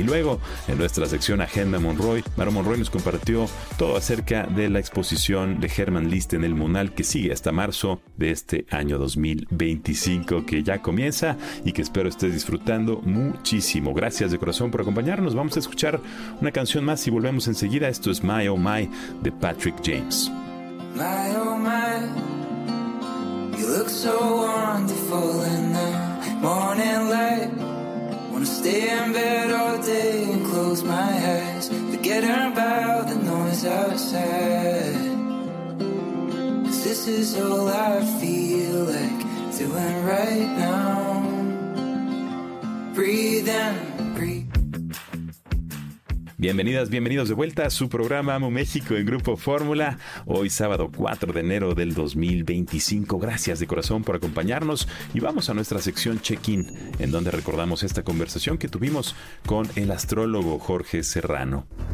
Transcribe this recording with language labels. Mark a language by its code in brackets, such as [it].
[es] Y luego, en nuestra sección Agenda Monroy, Maro Monroy nos compartió todo acerca de la exposición de Hermann List en el Munal, que sigue hasta marzo de este año 2025, que ya comienza y que espero estés disfrutando muchísimo. Gracias de corazón por acompañarnos. Vamos a escuchar una canción más y volvemos enseguida. Esto es My Oh My de Patrick James. [en] My oh my, you look so wonderful in the morning light. Wanna stay in bed all day and close my eyes, forget about the noise outside. Cause this is all I feel like doing right now. Breathe in, breathe. [es] Bienvenidas, bienvenidos de vuelta a su programa Amo México en Grupo Fórmula. Hoy sábado 4 de enero del 2025. Gracias de corazón por acompañarnos y vamos a nuestra sección Check-in, en donde recordamos esta conversación que tuvimos con el astrólogo Jorge Serrano.